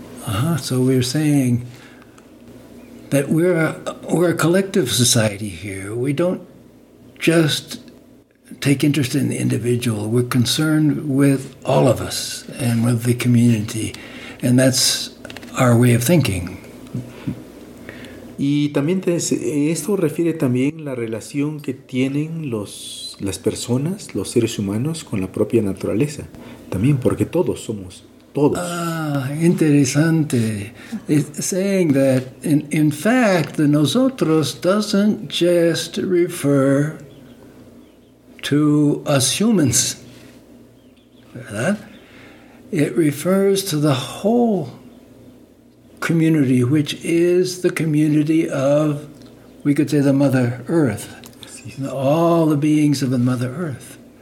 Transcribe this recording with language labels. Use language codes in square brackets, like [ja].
[en] Ajá, so we're saying that we're a collective society here. We don't just take interest in the individual. We're concerned with all of us and with the community. And that's our way of thinking. [es] Y también esto refiere también la relación que tienen las personas, los seres humanos, con la propia naturaleza. También porque todos somos todos. Ah, interesante. [en] It's saying that, in fact, the nosotros doesn't just refer to us humans, [es] ¿verdad? [en] It refers to the whole community, which is the community of, we could say, the Mother Earth, all the beings of the Mother Earth.